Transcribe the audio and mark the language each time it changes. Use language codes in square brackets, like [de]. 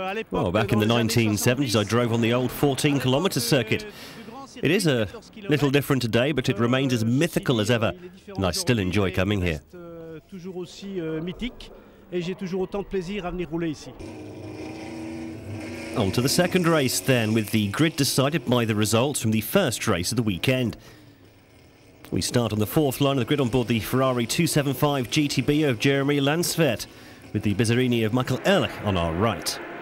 [en] Well, back in the 1970s, I drove on the old 14-kilometer circuit. It is a little different today, but it remains as mythical as ever, and I still enjoy coming here. [fr] Toujours aussi mythique, et j'ai toujours autant de plaisir à venir rouler ici. [en] On to the second race then, with the grid decided by the results from the first race of the weekend. We start on the fourth line of the grid on board the Ferrari 275 GTB of Jeremy Lanzfert, with the Bizzarini of Michael Ehrlich on our right.